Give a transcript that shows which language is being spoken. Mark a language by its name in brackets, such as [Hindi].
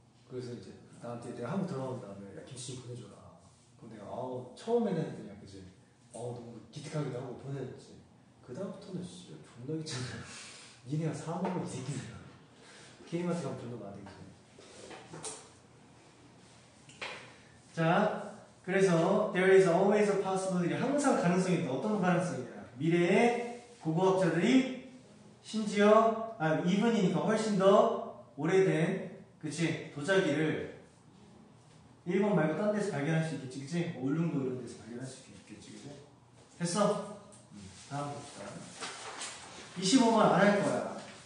[Korean] 그래서 이제 나한테 내가 한국 들어간 다음에 야 김치 좀 보내줘라. 그럼 내가 아우 처음에는 그냥 그지 아우 너무 기특하기도 하고 보내줬지. 그 다음부터는 진짜 존나 귀찮아. 니네가 사 먹으면 이 새끼들아 K마트 가면 존나 많이 되지. 자 그래서 [English] There is always a possibility. [Korean] 항상 가능성이 있다. 어떤 가능성이냐. 미래에 고고학자들이 심지어 아 이분이니까 훨씬 더 오래된 그치 도자기를 일본 말고 딴 데서 발견할 수 있겠지 그치? 울릉도 이런 데서 발견할 수 있겠지 그치? 됐어? 다음 봅시다. 25만 안 할 거야.